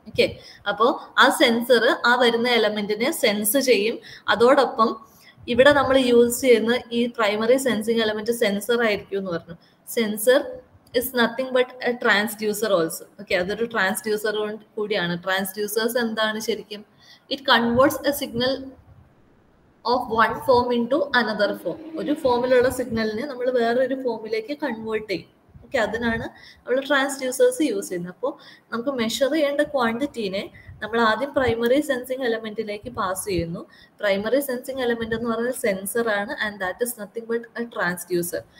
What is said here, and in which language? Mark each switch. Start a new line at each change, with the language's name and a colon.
Malayalam: Okay, അപ്പോൾ ആ sensor ആ വരുന്ന എലമെന്റിനെ സെൻസ് ചെയ്യും, അതോടൊപ്പം ഇവിടെ നമ്മൾ യൂസ് ചെയ്യുന്ന ഈ പ്രൈമറി സെൻസിങ് എലമെന്റ് സെൻസർ ആയിരിക്കും എന്ന് പറഞ്ഞു.
English: Sensor is nothing but a transducer also.
Malayalam: Okay, അതൊരു ട്രാൻസ്ഡ്യൂസർ കൂടിയാണ്. ട്രാൻസ്ഡ്യൂസേഴ്സ് എന്താണ് ശരിക്കും?
English: It converts a signal of one form into another form.
Malayalam: ഒരു ഫോമിലുള്ള സിഗ്നലിനെ നമ്മൾ വേറൊരു ഫോമിലേക്ക് കൺവേർട്ട് ചെയ്യും. ഓക്കെ, അതിനാണ് നമ്മൾ ട്രാൻസ്ഡ്യൂസേഴ്സ് യൂസ് ചെയ്യുന്നത്. അപ്പോൾ നമുക്ക് മെഷർ ചെയ്യേണ്ട ക്വാണ്ടിറ്റീനെ നമ്മൾ ആദ്യം പ്രൈമറി സെൻസിങ് എലമെന്റിലേക്ക് പാസ് ചെയ്യുന്നു. പ്രൈമറി സെൻസിങ് എലമെന്റ് എന്ന് പറഞ്ഞാൽ സെൻസർ ആണ്,
English: And that is nothing but a transducer.